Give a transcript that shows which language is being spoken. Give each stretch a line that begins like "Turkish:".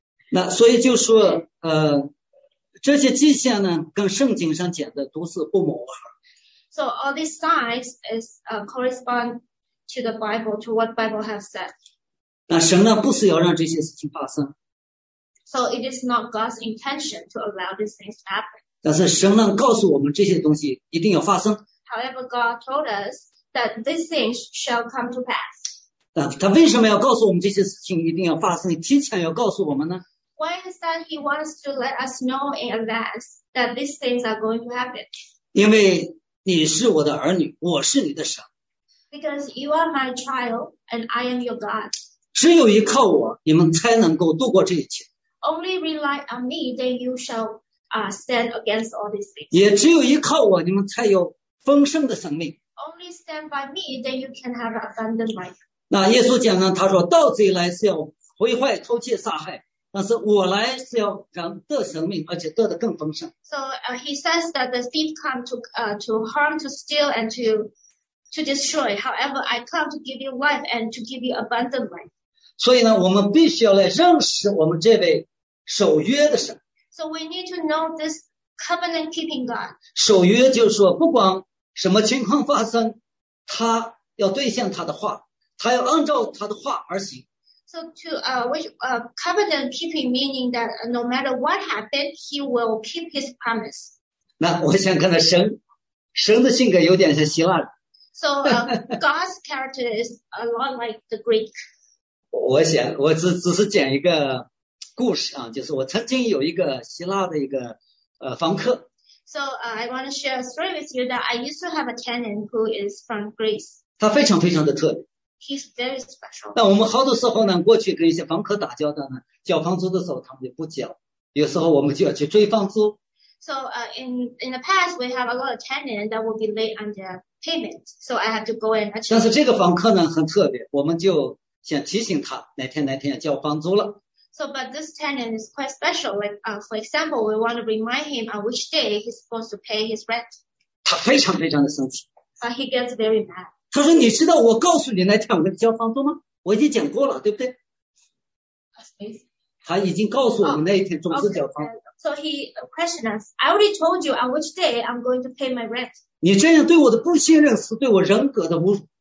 Chinese: 那所以就说，这些迹象呢，跟圣经上讲的都是不谋而合。
English: So all these signs is correspond to the Bible, to what Bible has said.
Chinese: 那神呢，不是要让这些事情发生。
English: So it is not God's intention to allow these things to happen.
Chinese: 但是神呢，告诉我们这些东西一定要发生。
English: However, God told us that these things shall come to pass.
Chinese: 那他为什么要告诉我们这些事情一定要发生，提前要告诉我们呢？
English: Why is that he wants to let us know in advance that these things are going to happen?
Chinese: 因为你是我的儿女，我是你的神。
English: Because you are my child and I am your God.
Chinese: 只有依靠我，你们才能够度过这一切。
English: Only rely on me, then you shall stand against all these things.
Chinese: 也只有依靠我，你们才有丰盛的生命。
English: Only stand by me, then you can have abundant life.
Chinese: 那耶稣讲呢？他说：“盗贼来是要毁坏、偷窃、杀害。” 但是我来是要让得生命，而且得的更丰盛。
English: So he says that the thief come to harm, to steal, and to destroy. However, I come to give you life and to give you abundant life.
Chinese: 所以呢，我们必须要来认识我们这位守约的神。
English: So we need to know this covenant-keeping God.
Chinese: 守约就是说，不管什么情况发生，他要兑现他的话，他要按照他的话而行。
English: So to which covenant keeping meaning that no matter what happened, he will keep his promise.
Chinese: 那我想看到神的性格有点像希腊人。
English: So God's character is a lot like the Greek.
Chinese: 我只是讲一个故事啊，就是我曾经有一个希腊的一个房客。
English: So, I want to share a story with you that I used to have a tenant who is from Greece.
Chinese: 他非常非常的特别。
English: He's very special.
Chinese: 那我们好多时候呢，过去跟一些房客打交道呢，交房租的时候他们就不交，有时候我们就要去追房租。
English: So, in the past, we have a lot of tenants that will be late on their payment. So I have to go and check.
Chinese: 但是这个房客呢很特别，我们就想提醒他哪天哪天要交房租了。
English: So, but this tenant is quite special. Like, for example, we want to remind him on which day he's supposed to pay his rent.
Chinese: 他非常非常的生气。
English: But he gets very mad.
Chinese: 他说：“你知道我告诉你那天我要交房租吗？我已经讲过了，对不对？” 他已经告诉我们那一天总是交房租。
English: Oh, okay. So he questioned us. I already told you on which day I'm going to pay my rent.
Chinese: 你这样对我的不信任是对我人格的侮辱。